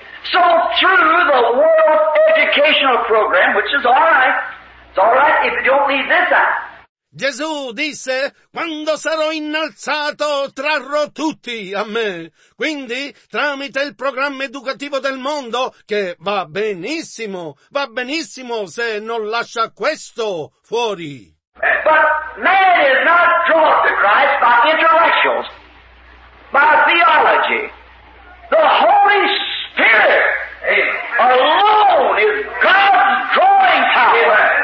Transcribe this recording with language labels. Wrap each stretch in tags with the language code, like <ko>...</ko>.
<en>So through the world educational program, which is all right, it's all right if you don't leave this out.</en> <it>Gesù disse, quando sarò innalzato, trarrò tutti a me. Quindi, tramite il programma educativo del mondo, che va benissimo se non lascia questo fuori.</it> <en>But man is not drawn to Christ by intellectuals, by theology. The Holy Spirit alone is God's drawing power.</en>